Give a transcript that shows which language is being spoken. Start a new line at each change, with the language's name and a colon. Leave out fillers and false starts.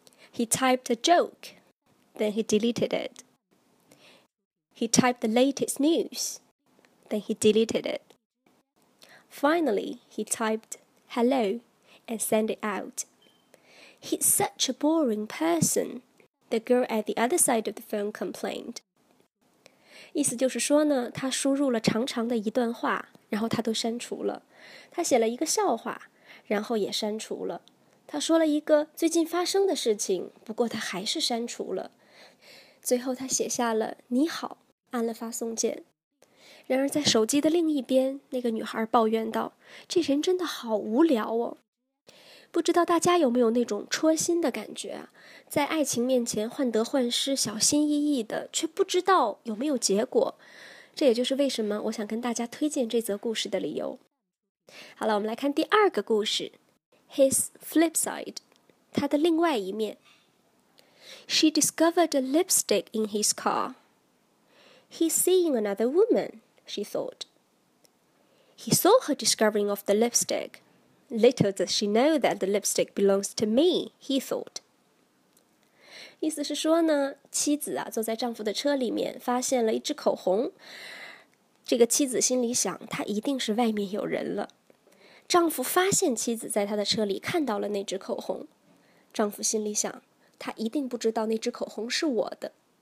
English: He typed a joke, then he deleted it. He typed the latest news, then he deleted it. Finally, he typed hello and sent it out. He's such a boring person, the girl at the other side of the phone complained.
Chinese: 意思就是说呢，他输入了长长的一段话，然后他都删除了。他写了一个笑话，然后也删除了。他说了一个最近发生的事情，不过他还是删除了。最后他写下了你好，按了发送键。然而在手机的另一边，那个女孩抱怨道，这人真的好无聊哦。不知道大家有没有那种戳心的感觉啊？在爱情面前患得患失，小心翼翼的，却不知道有没有结果。这也就是为什么我想跟大家推荐这则故事的理由。好了，我们来看第二个故事，
English: His flip side，
Chinese: 他的另外一面。
English: She discovered a lipstick in his car. He's seeing another woman, she thought. He saw her discovering of the lipstick. Little does she know that the lipstick belongs to me, he thought.
Chinese: 意思是说呢，妻子啊坐在丈夫的车里面，发现了一支口红。这个妻子心里想，她一定是外面有人了。丈夫发现妻子在她的车里看到了那支口红，丈夫心里想，她一定不知道那支口红是我的。